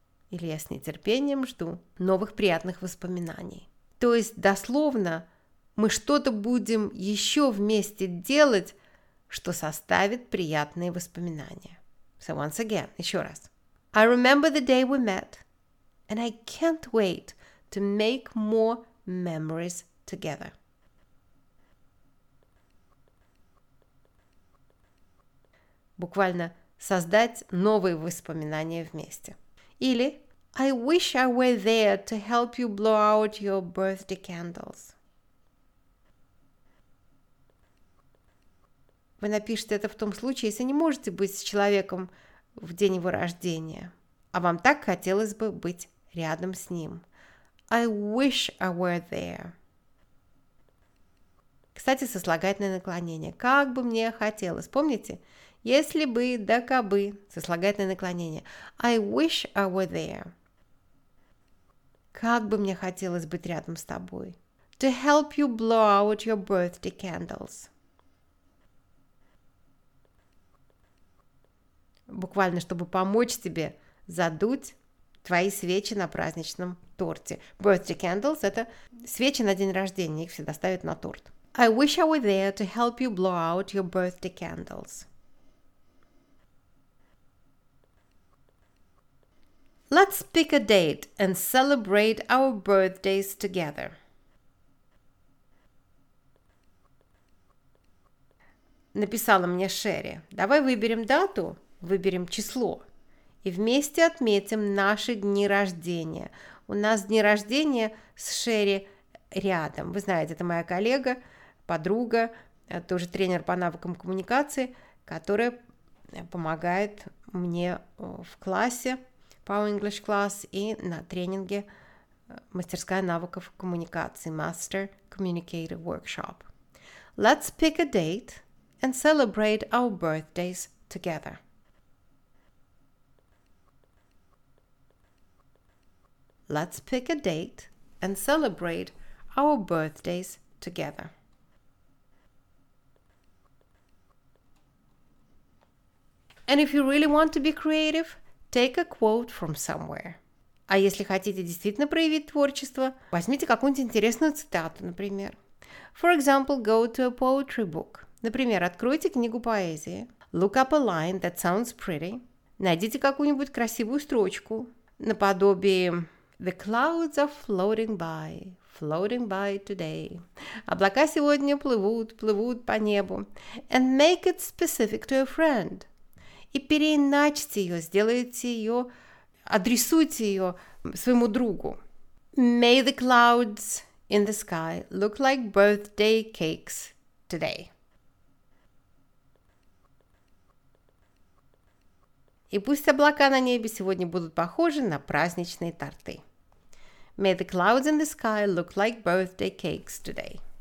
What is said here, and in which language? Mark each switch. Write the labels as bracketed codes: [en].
[ru] Или я с нетерпением жду новых приятных воспоминаний. То есть дословно мы что-то будем еще вместе делать, что составит приятные воспоминания. [en] So once again, [ru] еще раз. [en] I remember the day we met, and I can't wait to make more memories together. [ru] Буквально создать новые воспоминания вместе. [en] Или I wish I were there to help you blow out your birthday candles. [ru] Вы напишите это в том случае, если не можете быть с человеком в день его рождения, а вам так хотелось бы быть рядом с ним. [en] I wish I were there. [ru] Кстати, сослагательное наклонение. Как бы мне хотелось. Помните? Если бы, да кабы. Сослагательное наклонение. [en] I wish I were there. [ru] Как бы мне хотелось быть рядом с тобой. [en] To help you blow out your birthday candles. [ru] Буквально, чтобы помочь тебе задуть твои свечи на праздничном торте. [en] Birthday candles [ru] – это свечи на день рождения, их всегда ставят на торт. [en] I wish I were there to help you blow out your birthday candles. Let's pick a date and celebrate our birthdays together. [ru] Написала мне Шерри. Давай выберем дату, выберем число. И вместе отметим наши дни рождения. У нас дни рождения с Шерри рядом. Вы знаете, это моя коллега, подруга, тоже тренер по навыкам коммуникации, которая помогает мне в классе Power English Class и на тренинге «Мастерская навыков коммуникации» Master Communicator Workshop. [en] Let's pick a date and celebrate our birthdays together. Let's pick a date and celebrate our birthdays together. And if you really want to be creative, take a quote from somewhere. [ru] А если хотите действительно проявить творчество, возьмите какую-нибудь интересную цитату, например. [en] For example, go to a poetry book. [ru] Например, откройте книгу поэзии. [en] Look up a line that sounds pretty. [ru] Найдите какую-нибудь красивую строчку наподобие [en] The clouds are floating by today. [ru] Облака сегодня плывут, плывут по небу. [en] And make it specific to a friend. [ru] И переиначьте ее, сделайте ее, адресуйте ее своему другу. [en] May the clouds in the sky look like birthday cakes today. [ru] И пусть облака на небе сегодня будут похожи на праздничные торты. [en] May the clouds in the sky look like birthday cakes today.